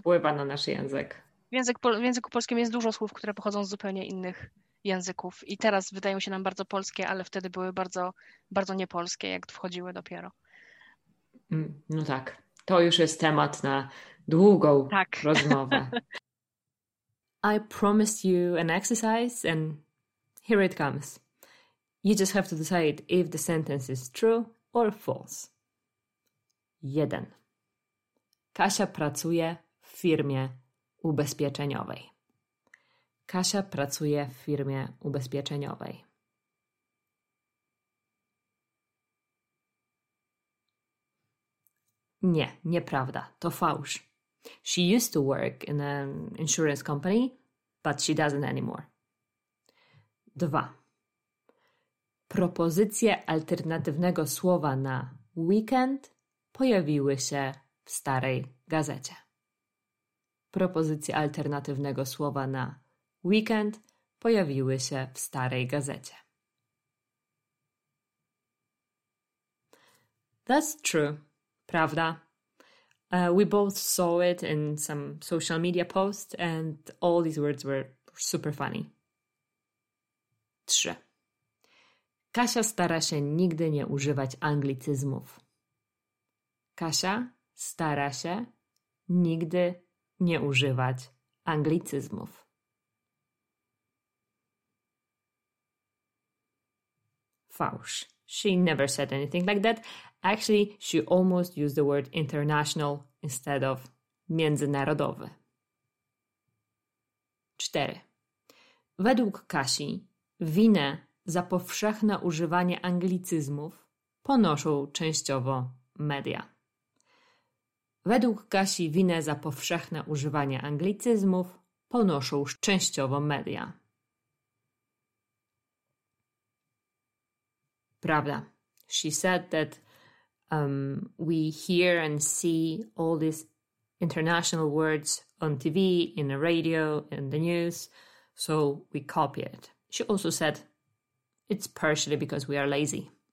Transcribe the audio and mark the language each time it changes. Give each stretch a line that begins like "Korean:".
Polish: Wpływa na nasz język. W języku polskim jest dużo słów, które pochodzą z zupełnie innych języków i teraz wydają się nam bardzo polskie, ale wtedy były bardzo, bardzo niepolskie, jak wchodziły dopiero. No tak, to już jest temat na długą Tak. rozmowę.
English: I promised you an exercise and here it comes. You just have to decide if the sentence is true or false. 1.
Polish: Kasia pracuje w firmie ubezpieczeniowej. Kasia pracuje w firmie ubezpieczeniowej. Nie, nieprawda. To fałsz.
English: She used to work in an insurance company, but she doesn't anymore. 2.
Polish: Propozycje alternatywnego słowa na weekend pojawiły się w starej gazecie. Propozycje alternatywnego słowa na weekend pojawiły się w starej gazecie.
English: That's true.
Polish: Prawda?
English: We both saw it in some social media post and all these words were super funny. 3.
Polish: Kasia stara się nigdy nie używać anglicyzmów. Kasia stara się nigdy nie używać anglicyzmów. Fałsz.
English: She never said anything like that. Actually, she almost used the word international instead of międzynarodowy. 4.
Polish: Według Kasi winę za powszechne używanie anglicyzmów ponoszą częściowo media. Według Kasi winę za powszechne używanie anglicyzmów ponoszą częściowo media. Prawda.
English: She said that we hear and see all these international words on TV, in the radio, in the news, so we copy it. She also said it's partially because we are lazy.